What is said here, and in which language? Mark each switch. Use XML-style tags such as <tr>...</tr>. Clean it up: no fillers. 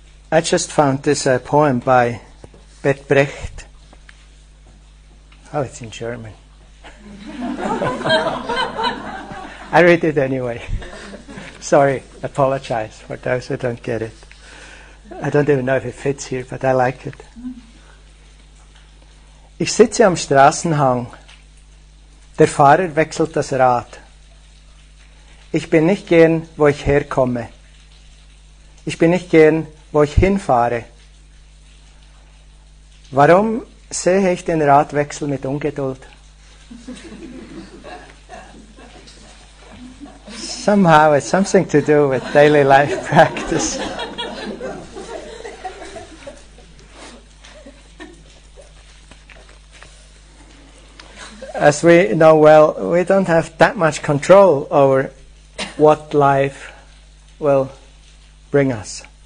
<en>I just found this poem by Bert Brecht. Oh, it's in German. I read it anyway. Sorry, apologize for those who don't get it. I don't even know if it fits here, but I like it.</en> <de>Ich sitze am Straßenhang. Der Fahrer wechselt das Rad. Ich bin nicht gern, wo ich herkomme. Ich bin nicht gern, wo ich hinfahre. Warum sehe ich den Radwechsel mit Ungeduld?</de> <en>Somehow it's something to do with daily life practice. As we know well, we don't have that much control over what life will bring us.</en>